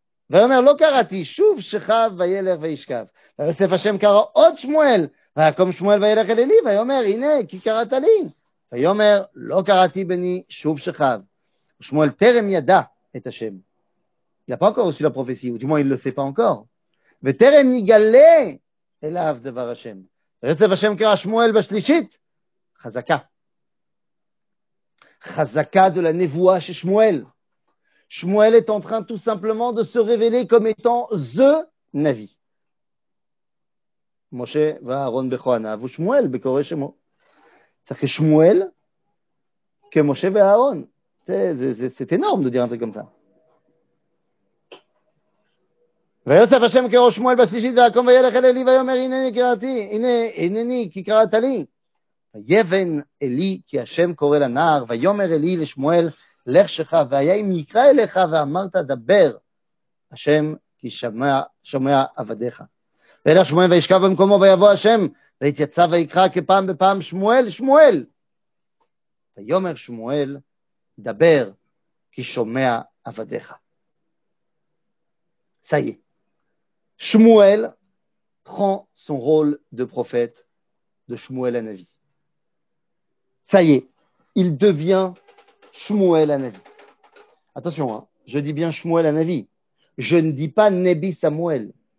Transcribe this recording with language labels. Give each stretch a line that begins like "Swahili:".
Hebrew: ויאמר לא קראתי שוב שכב וילך וישכב. ויוסף השם קרא עוד שמואל ויקום שמואל וילך אל אלי ויאמר הנה כי קראת לי. ויאמר לא קראתי בני שוב שכב. ושמואל טרם ידע את השם.
French: Il n'a pas encore reçu la prophétie, ou du moins il ne le sait pas encore.
Hebrew: וטרם יגלה אליו דבר השם. ויוסף השם קרא שמואל בשלישית. חזקה. חזקה
French: de la
Hebrew: נבואה של שמואל.
French: Shmuel est en train tout simplement de se révéler comme étant The Navi. Moshe va Aaron Bechoana, vous Shmuel, Bechore Shemo. C'est-à-dire que Shmuel, que Moshe va Aaron. C'est énorme de dire un truc comme ça.
Hebrew: ויוסף השם קרא שמואל בשלישית ויקום וילך אל אלי ויאמר הנני קראתי, הנני כי קראת לי. ויבן אלי כי השם קורא לנער ויאמר אלי לשמואל, לך שכב, והיה אם יקרא אליך ואמרת דבר, השם כי שמע עבדיך. וילך שמואל וישכב במקומו ויבוא השם, ויתייצב ויקרא כפעם בפעם שמואל, שמואל. ויאמר שמואל, דבר כי שומע עבדיך.
French: Ça y est. Shmuel prend son rôle de prophète de Shmuel Hanavi. Ça y est, il devient Shmuel Hanavi. Attention, hein, je dis bien Shmuel Hanavi. Je ne dis pas Nebi Samuel.